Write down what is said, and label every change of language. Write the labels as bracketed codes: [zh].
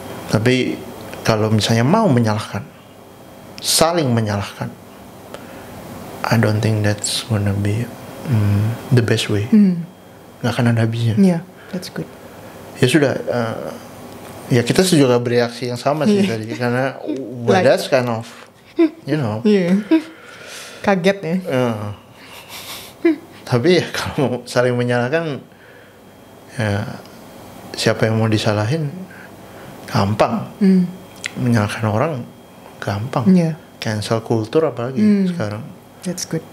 [id] Tapi kalau misalnya mau menyalahkan, saling menyalahkan, [en] I don't think that's gonna be the best way. [id] Gak akan ada habisnya. [en] That's good. [id] Ya sudah, ya kita juga bereaksi yang sama sih tadi. Karena [en] what like, that's kind of you know [id] kaget ya. Tapi ya kalau saling menyalahkan ya, siapa yang mau disalahin gampang. Menyalahkan orang gampang. Cancel culture apalagi sekarang. [en] That's good.